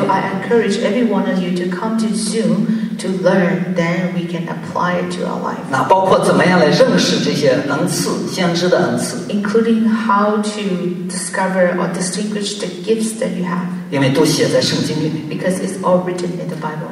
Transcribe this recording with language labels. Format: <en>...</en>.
<en>So I encourage every one of you to come to Zoom. To learn, then we can apply it to our life.</en> <zh>那包括怎么样来认识这些恩赐，先知的恩赐。</zh> <en>Including how to discover or distinguish the gifts that you have.</en> <zh>因为都写在圣经里面。</zh> <en>Because it's all written in the Bible.</en>